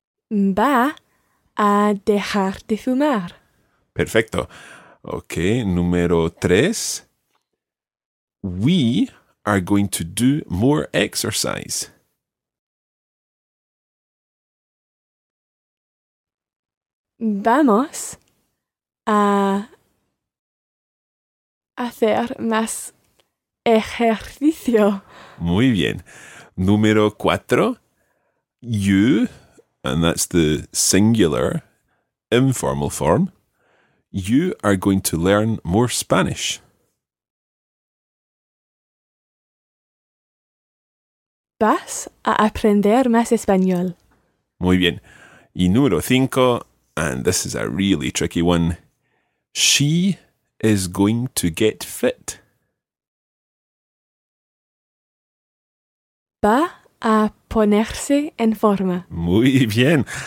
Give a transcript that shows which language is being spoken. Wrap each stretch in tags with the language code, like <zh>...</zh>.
<es>Va a dejar de fumar. Perfecto. Ok, número tres.</es> <en>We are going to do more exercise.</en> <es>Vamos a hacer más ejercicio. Muy bien. Número cuatro.</es> <en>You, and that's the singular informal form. You are going to learn more Spanish.</en> <es>Vas a aprender más español. Muy bien. Y número cinco,</es> <en>and this is a really tricky one. She is going to get fit.</en> <es>Va a ponerse en forma. Muy bien.</es>